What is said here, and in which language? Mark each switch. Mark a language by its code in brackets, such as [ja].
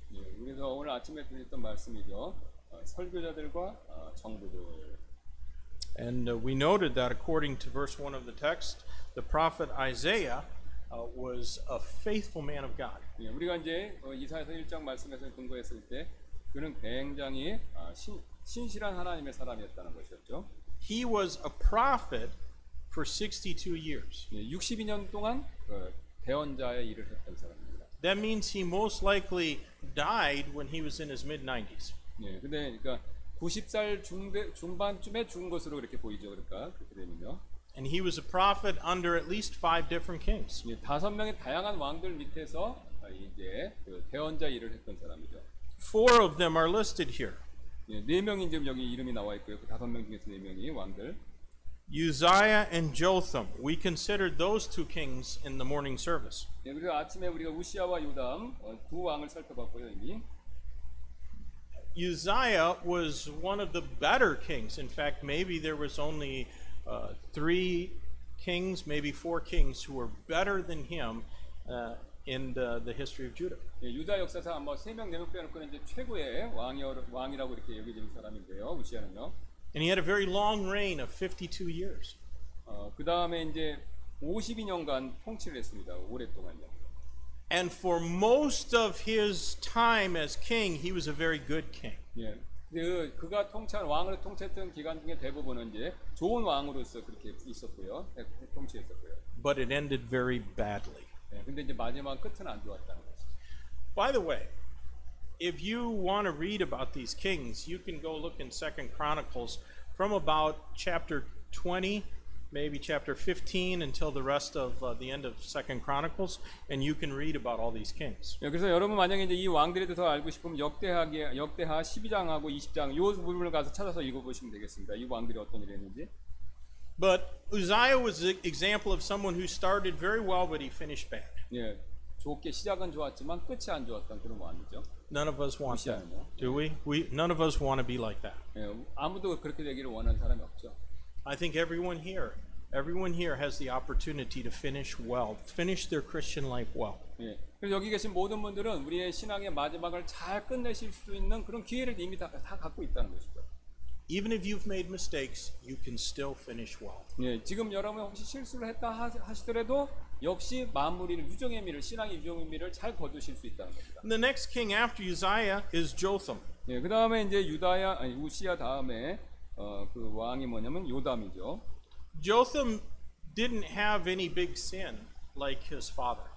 [ko] 예, 우리도 오늘 아침에 드렸던 말씀이죠. 설교자들과 정부들. [en] And we noted that according to verse 1 of the text, the prophet Isaiah was a faithful man of God. [ko] 예, 우리가 이제 이사야서 1장 말씀에서 근거했을 때 그는 굉장히 신실한 하나님의 사람이었다는 것이었죠. [en] He was a prophet for 62 years. [ko] 예, 62년 동안 대언자의 일을 했던 사람입니다. [en] That means he most likely died when he was in his mid 90s. [ko] 예, 근데 그러니까 90살 중반쯤에 죽은 것으로 이렇게 보이죠. 그러니까 그렇게 되면요. [en] And he was a prophet under at least 5 different kings. [ko] 예, 다섯 명의 다양한 왕들 밑에서 이제 그 대언자 일을 했던 사람이죠. [en] 4 of them are listed here. [ko] 예, 네 명이 지금 여기 이름이 나와 있고요. 그 다섯 명 중에서 네 명이 왕들. [en] Uzziah and Jotham. We considered those two kings in the morning service. [ko] 예, 우리가 아침에 우리가 우시아와 요담 두 왕을 살펴봤고요, 이미. [en] Uzziah was one of the better kings. In fact, maybe there was only three kings, maybe four kings who were better than him in the history of Judah. [ko] 예, 유다 역사상 아마 세 명, 네 명 빼놓고는 이제 최고의 왕이라고 이렇게 여기는 사람인데요, 우시아는요. [en] And he had a very long reign of 52 years. [ko] 그 다음에 이제 52년간 통치를 했습니다. 오랫동안요. [en] And for most of his time as king, he was a very good king. [ko] 예, 그가 통치한 왕을 통치했던 기간 중에 대부분은 이제 좋은 왕으로서 그렇게 있었고요, 통치했었고요. [en] But it ended very badly. [ko] 예, 근데 이제 마지막 끝은 안 좋았다는 것이죠. [en] By the way. If you want to read about these kings, you can go look in 2 Chronicles from about chapter 20, maybe chapter 15 until the rest of the end of 2 Chronicles and you can read about all these kings. [ko] 예, 그래서 여러분 만약에 이제 이 왕들에 대해서 알고 싶으면 역대하 12장하고 20장 요 부분을 가서 찾아서 읽어 보시면 되겠습니다. 이 왕들이 어떤 일을 했는지. [en] But Uzziah was an example of someone who started very well but he finished bad. [ko] 예. 좋게 시작은 좋았지만 끝이 안 좋았던 그런 왕이죠. [en] None of us want that, do we? None of us want to be like that. [ko] 아무도 그렇게 되기를 원하는 사람이 없죠. [en] I think everyone here has the opportunity to finish their Christian life well. [ko] 그래서 여기 계신 모든 분들은 우리의 신앙의 마지막을 잘 끝내실 수 있는 그런 기회를 이미 다 갖고 있다는 것이죠. [en] Even if you've made mistakes, you can still finish well. [ko] 지금 여러분 혹시 실수를 했다 하시더라도 역시 마무리를 유종의 미를 신앙의 유종의 미를 잘 거두실 수 있다는 겁니다. [en] The next king after Uzziah is Jotham. [ko] 예, 그 다음에 이제 유다야 아니 우시아 다음에 그 왕이 뭐냐면 요담이죠. [en] Jotham didn't have any big sin like his father.